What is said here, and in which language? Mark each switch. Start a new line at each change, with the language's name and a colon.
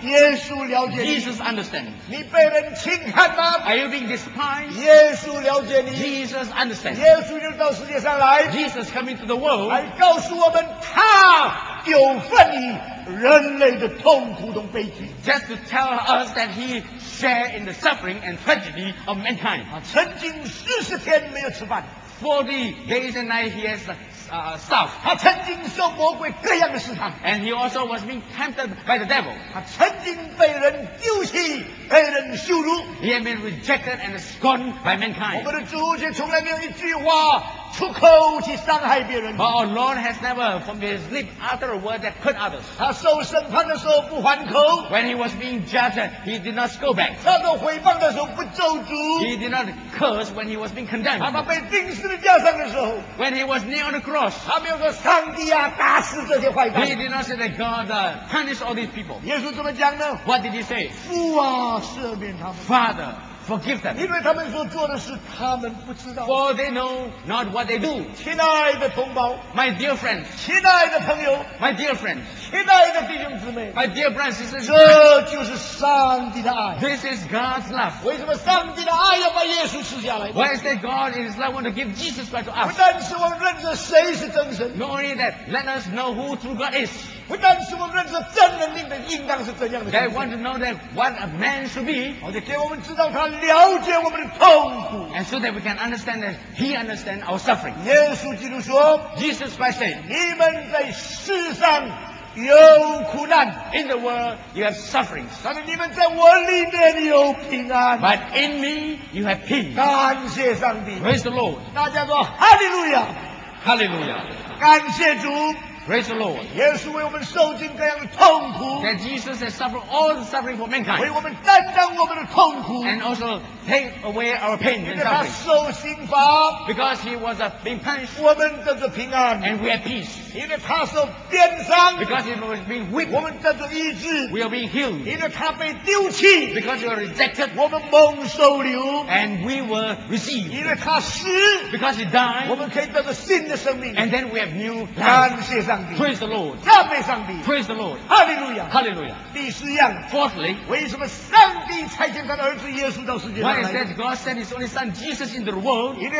Chinese: 耶稣了解你。
English: Jesus understands。
Chinese: 你被人轻看吗
English: ？Are you being despised？
Chinese: 耶稣了解你。
English: Jesus understands。
Chinese: 耶稣就到世界上来。
English: Jesus coming to the world。
Chinese: 来告诉我们，他有份于人类的痛苦和悲剧。
English: Just to tell us that he share in the suffering and tragedy of mankind。
Chinese: 曾经四十天没有吃饭。
English: 40 days and night he has stuff.
Chinese: 他曾经受魔鬼各样的试探。
English: And he also was being tempted by the devil.
Chinese: 他曾经被人丢弃，被人羞辱。
English: He had been rejected and scorned by mankind.
Chinese: 我们的主却从来没有一句话出口去伤害别人。
English: But our Lord has never from his lips uttered a word that hurt others.
Chinese: 他受审判的时候不还口。
English: When he was being judged, he did not scold back.
Chinese: 他受毁谤的时候不咒诅。
English: He did not curse when he was being condemned.
Chinese: 他被钉死的架上的时候。
English: When he was nailed on the cross.
Chinese: 他没有说上帝啊打死这些坏蛋。
English: He did not say that God punish all these people.
Chinese: 耶稣怎么讲呢
English: ？What did he say?
Chinese: 父啊赦免他们。
English: Father, forgive them.
Chinese: 因为他们所做的事他们不知道,
English: for they know not what they do.
Chinese: 亲爱的同胞,
English: my dear friends.
Chinese: 亲爱的朋友,
English: my dear friends.
Chinese: 亲爱的弟兄姊妹,
English: my dear brothers and sisters.
Chinese: 这就是上帝的爱,
English: this is God's love.
Chinese: 为什么上帝的爱要把耶稣赐下来?
English: Why is that God in his love want to give Jesus Christ to us?
Chinese: 不但是我们认识谁是真神,
English: not only that, let us know who true God is.
Chinese: 不但是我们认识真人应当是怎样的,
English: they want to know that what a man should be,
Chinese: 给我们知道他了解我们的痛苦,
English: and so that we can understand that he understands our suffering.
Chinese: 耶稣基督说,
English: Jesus Christ said,
Chinese: 你们在世上有苦难,
English: in the world you have sufferings,
Chinese: 但是你们在我里面有平安,
English: but in me you have peace.
Chinese: 感谢上帝,
English: praise the Lord.
Chinese: 大家说, Hallelujah,
English: Hallelujah.
Chinese: 感谢主,
English: praise the Lord.
Chinese: 耶稣为我们受尽各样的痛苦,
English: that Jesus has suffered all the suffering for mankind,
Chinese: 为我们担当我们的痛苦,
English: and also take away our pain and suffering, because he was being punished,
Chinese: 我们得着平安,
English: and we have peace.
Chinese: 因为他受鞭伤,
English: because he was being whipped,
Chinese: 我们得着医治,
English: we are being healed.
Chinese: 因为他被丢弃,
English: because we were rejected,
Chinese: 我们蒙受留,
English: and we were received.
Chinese: 因为他死,
English: because he died,
Chinese: 我们可以得着新的生命,
English: and then we have new life. Praise the Lord.
Chinese: 赞美上帝,
English: praise the Lord. Hallelujah. Hallelujah.
Chinese: 第四样,
English: fourthly,
Chinese: 为什么上帝差遣他的儿子耶稣到世界上来?
English: Why is that God sent his only son Jesus into the world?